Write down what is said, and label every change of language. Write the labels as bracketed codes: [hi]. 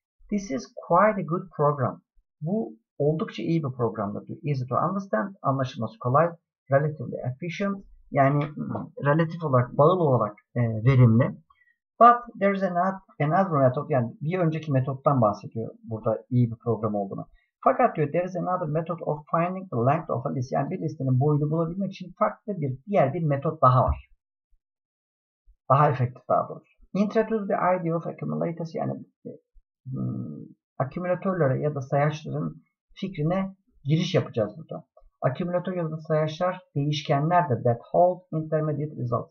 [en] This is quite a good program. [tr] Bu oldukça iyi bir programdır. [en] Easy to understand. [tr] Anlaşılması kolay. [en] Relatively efficient. [tr] Yani relatif olarak, bağlı olarak verimli. [en] But there is another method. [tr] Yani bir önceki metottan bahsediyor burada iyi bir program olduğunu. Fakat diyor [en] there is another method of finding the length of a list. [tr] Yani bir listenin boyunu bulabilmek için farklı bir diğer bir metot daha var. Daha efektif, daha doğrusu. [en] Introduce the idea of accumulators, [tr] yani akümülatörlere ya da sayaçların fikrine giriş yapacağız burada. Akümülatör ya da sayaçlar değişkenlerdir. [en] That hold intermediate results.